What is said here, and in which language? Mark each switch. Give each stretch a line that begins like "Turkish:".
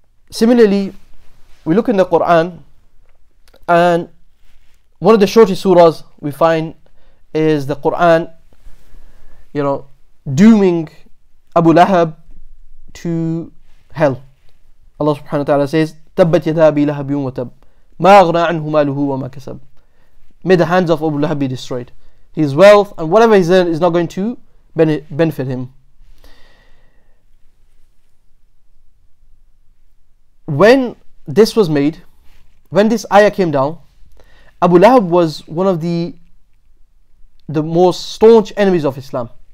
English: Similarly, we look in the Quran, and one of the shortest surahs we find is the Quran, you know, dooming Abu Lahab to hell.
Arabic: Allah subhanahu wa ta'ala says, تَبَّتْ يَدَا أَبِي لَهَبٍ وَتَبْ مَا أَغْنَى عَنْهُ مَالُهُ وَمَا كَسَبْ.
English: May the hands of Abu Lahab be destroyed. His wealth and whatever he's earned is not going to benefit him. When this was made, when this ayah came down, Abu Lahab was one of the most staunch enemies of Islam.